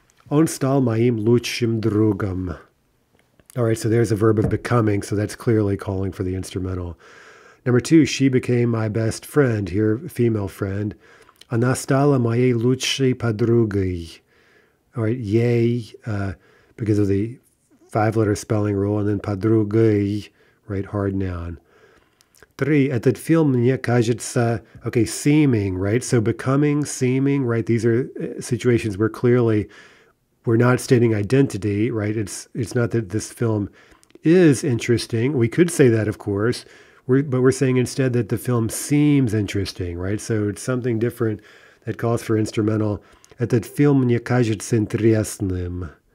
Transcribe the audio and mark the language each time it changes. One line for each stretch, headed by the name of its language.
Russian: Он стал моим лучшим другом.
English: All right, so there's a verb of becoming, so that's clearly calling for the instrumental. Number two, she became my best friend, here, female friend.
Russian: Она стала моей лучшей подругой.
English: All right, yay, because of the five-letter spelling rule, and then подругой, right, hard noun. Three,
Russian: этот фильм мне кажется,
English: okay, seeming, right? So becoming, seeming, right? These are situations where clearly we're not stating identity, right? It's not that this film is interesting. We could say that, of course, but we're saying instead that the film seems interesting, right? So it's something different that calls for instrumental.
Russian: Этот фильм мне кажется интересным.